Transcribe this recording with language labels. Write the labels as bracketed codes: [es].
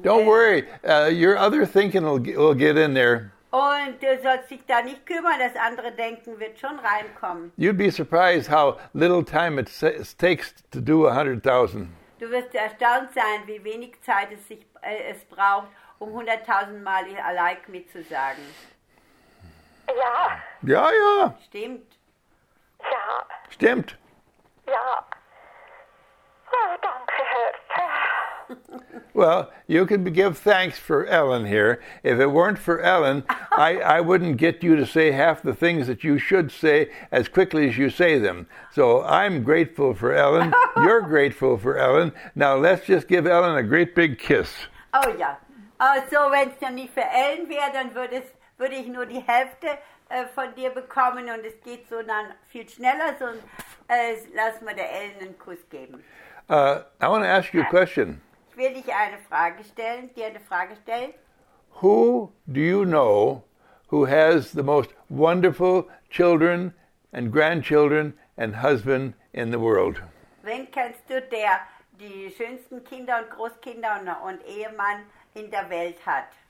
[en] Don't worry, your other thinking will get in there. [de] Und du sollst dich da nicht kümmern, das andere Denken wird schon reinkommen. [en] You'd be surprised how little time it takes to do 100,000. [de] Du wirst erstaunt sein, wie wenig Zeit es braucht, um 100.000 Mal [en] I like me [de] zu sagen. Ja. Ja, ja. Stimmt. Ja. Stimmt. Ja. Oh, danke, Herr. [en] Well, you can give thanks for Ellen here. If it weren't for Ellen, I wouldn't get you to say half the things that you should say as quickly as you say them. So I'm grateful for Ellen. You're grateful for Ellen. Now let's just give Ellen a great big kiss. [de] Oh ja. So wenn es dann nicht für Ellen wäre, dann würde ich nur die Hälfte von dir bekommen, und es geht so dann viel schneller, so lass mal der Ellen einen Kuss geben. [en] I want to ask you a question. [de] Ich will dich eine Frage stellen, dir eine Frage stellen. [en] Who do you know who has the most wonderful children and grandchildren and husband in the world? [de] Wen kennst du, der die schönsten Kinder und Großkinder und Ehemann in der Welt hat?